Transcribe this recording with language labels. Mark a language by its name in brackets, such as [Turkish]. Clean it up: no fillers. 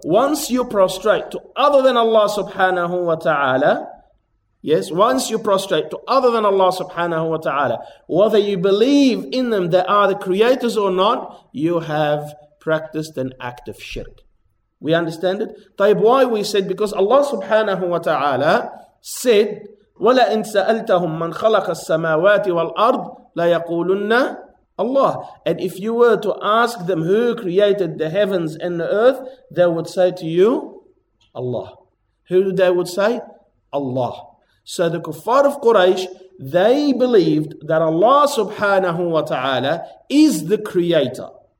[English] Once you prostrate to other than Allah subhanahu wa ta'ala, yes, once you prostrate to other than Allah subhanahu wa ta'ala, whether you believe in them, they are the creators or not, you have practiced an act of shirk. We understand it? [Arabic] طيب, [English] why we said? Because Allah subhanahu wa ta'ala said, [Arabic] وَلَئِن سَأَلْتَهُمْ مَنْ خَلَقَ السَّمَاوَاتِ وَالْأَرْضِ لَيَقُولُنَّ اللَّهِ. [English] And if you were to ask them who created the heavens and the earth, they would say to you, Allah. Who they would say? Allah. So the kuffar of Quraysh, they believed that Allah subhanahu wa ta'ala is the creator.